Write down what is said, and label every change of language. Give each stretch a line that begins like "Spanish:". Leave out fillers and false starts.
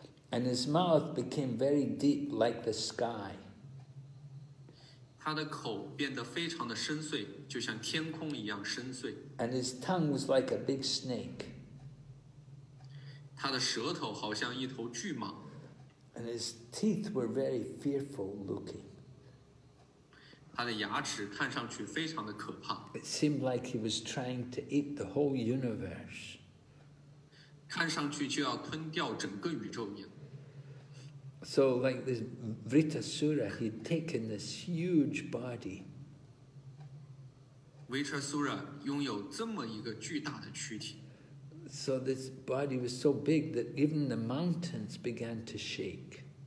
English: And his mouth became very deep like the sky.
Chinese: 他的口变得非常的深邃，就像天空一样深邃。
English: And his tongue was like a big snake.
Chinese: 他的舌头好像一头巨蟒。
English: And his teeth were very fearful looking.
Chinese: 他的牙齿看上去非常的可怕。
English: It seemed like he was trying to eat the whole universe.
Chinese: 看上去就要吞掉整个宇宙一样。
English: So like this Vritasura, he'd taken this huge body.
Chinese: Vritasura拥有这么一个巨大的躯体。
English: So this body was so big that even the mountains began to shake.